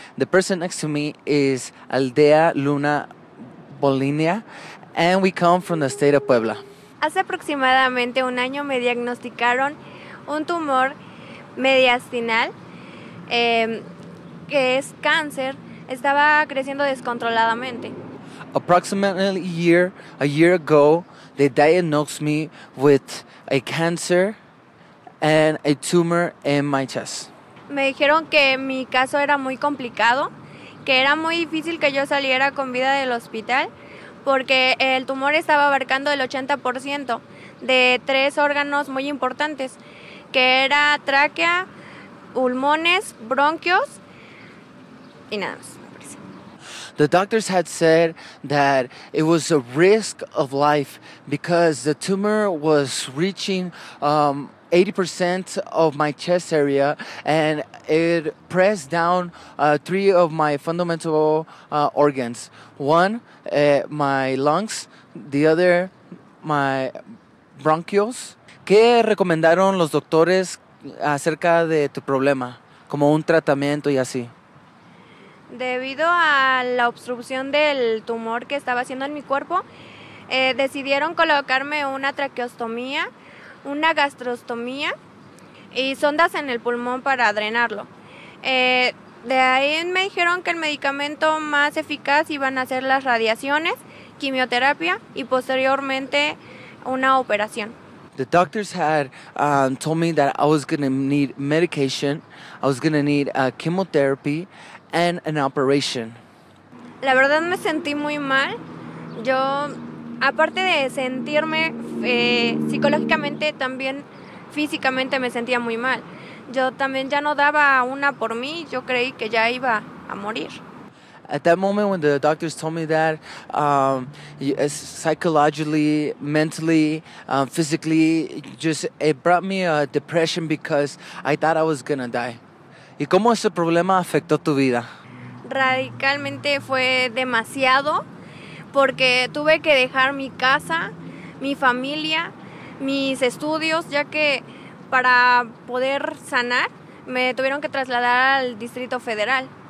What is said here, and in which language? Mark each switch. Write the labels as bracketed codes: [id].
[en] The person next to me is Aldea Luna Bolinia, and we come from the state of Puebla. [es] Hace aproximadamente un año me diagnosticaron un tumor mediastinal, que es cáncer. Estaba creciendo descontroladamente. [en] Approximately a year ago, they diagnosed me with a cancer and a tumor in my chest. [es] Me dijeron que mi caso era muy complicado, que era muy difícil que yo saliera con vida del hospital, porque el tumor estaba abarcando el 80% de tres órganos muy importantes, que era tráquea, pulmones, bronquios y nada más. [en] The doctors had said that it was a risk of life because the tumor was reaching 80% of my chest area and it pressed down three of my fundamental organs. One, my lungs, the other, my bronchioles. [es] ¿Qué recomendaron los doctores acerca de tu problema? Como un tratamiento y así. Debido a la obstrucción del tumor que estaba haciendo en mi cuerpo, decidieron colocarme una traqueostomía, una gastrostomía y sondas en el pulmón para drenarlo. De ahí me dijeron que el medicamento más eficaz iban a ser las radiaciones, quimioterapia y posteriormente una operación. [en] The doctors had told me that I was going to need medication, I was going to need chemotherapy and an operation. [es] La verdad me sentí muy mal. Yo, aparte de sentirme psicológicamente, también físicamente me sentía muy mal. Yo también ya no daba una por mí. Yo creí que ya iba a morir. [en] At that moment when the doctors told me that, psychologically, mentally, physically, just it brought me a depression because I thought I was gonna die. [es] ¿Y cómo ese problema afectó tu vida? Radicalmente fue demasiado, porque tuve que dejar mi casa, mi familia, mis estudios, ya que para poder sanar me tuvieron que trasladar al Distrito Federal.